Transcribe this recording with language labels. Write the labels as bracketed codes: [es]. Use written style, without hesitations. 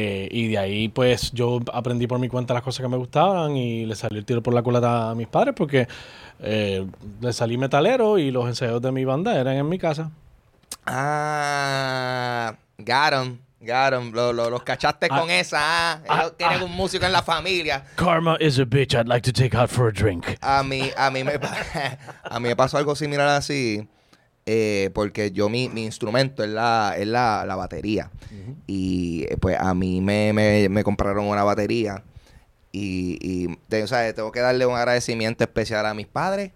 [es] Y de ahí, pues, yo aprendí por mi cuenta las cosas que me gustaban y le salió el tiro por la culata a mis padres porque le salí metalero y los ensayos de mi banda eran en mi casa. [en] Ah, got him. [es] Los cachaste con esa. Tienen un músico en la familia. [en] Karma is a bitch I'd like to take out for a drink. [es] A mí me pasó algo similar así. Porque yo mi instrumento es la batería. Uh-huh. Y pues a mí me compraron una batería. Y o sea, tengo que darle un agradecimiento especial a mis padres.